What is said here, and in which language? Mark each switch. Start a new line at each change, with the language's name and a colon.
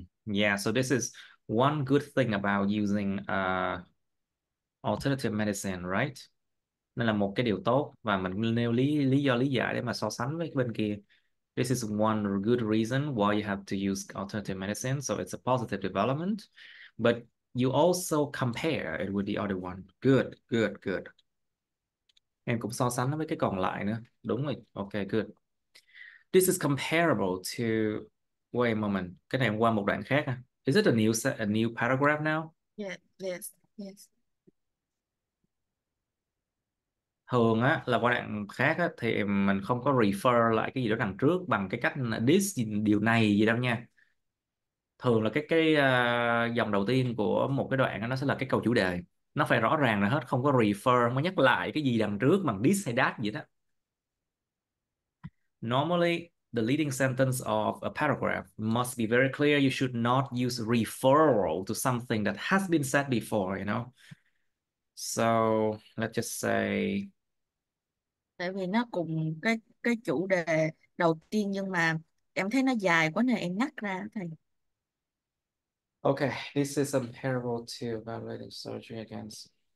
English: Yeah, so this is one good thing about using alternative medicine, right?
Vietnamese: Nên là một cái điều tốt và mình nêu lý do lý giải để mà so sánh với cái bên kia.
English: This is one good reason why you have to use alternative medicine, so it's a positive development. But you also compare it with the other one. Good, good, good.
Vietnamese: Em cũng so sánh với cái còn lại nữa. Đúng rồi.
English: Okay, good. This is comparable to. Wait a moment.
Vietnamese: Cái này em qua một đoạn khác ha.
English: Is it a new paragraph now? Yes.
Vietnamese: Thường á là qua đoạn khác á thì mình không có refer lại cái gì đó đằng trước bằng cái cách this điều này gì đâu nha. Thường là cái dòng đầu tiên của một cái đoạn đó, nó sẽ là cái câu chủ đề. Nó phải rõ ràng là hết, không có refer, mới nhắc lại cái gì đằng trước bằng this hay that gì đó.
English: Normally the leading sentence of a paragraph must be very clear. You should not use referral to something that has been said before, you know? So let's just say
Vietnamese: tại vì nó cùng cái chủ đề đầu tiên, nhưng mà em thấy nó dài quá nên em ngắt ra thầy.
English: Okay, this is comparable to evaluating surgery against.